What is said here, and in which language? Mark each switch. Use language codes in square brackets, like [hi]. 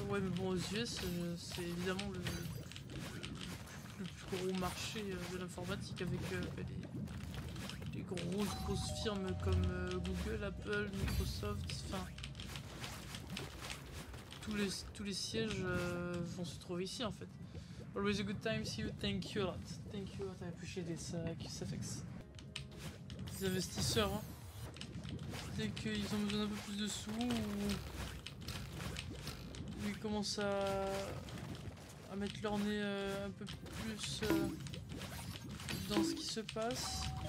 [fr] Ouais, mais bon, aux US, c'est évidemment le plus gros marché de l'informatique avec les grosses firmes comme Google, Apple, Microsoft. Enfin, tous les sièges vont se trouver ici en fait. [en] Always a good time, see you, thank you a lot. Thank you a lot, I appreciate this, FX. [fr] Des investisseurs, hein. Dès qu'ils ont besoin d'un peu plus de sous ou ils commencent à mettre leur nez un peu plus dans ce qui se passe.